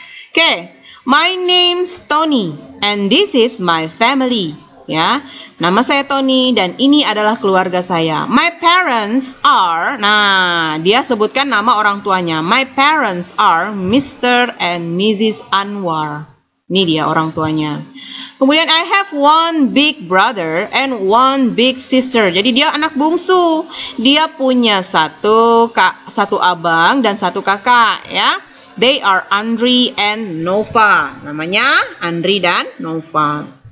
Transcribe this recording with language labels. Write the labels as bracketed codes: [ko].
[en] Oke, my name's Tony and this is my family. [id] Ya, nama saya Tony dan ini adalah keluarga saya. [en] My parents are, [id] nah dia sebutkan nama orang tuanya. [en] My parents are Mr. and Mrs. Anwar. [id] Ini dia orang tuanya. Kemudian [en] I have one big brother and one big sister. [id] Jadi dia anak bungsu. Dia punya satu abang dan satu kakak ya. [en] They are Andri and Nova. [id] Namanya Andri dan Nova.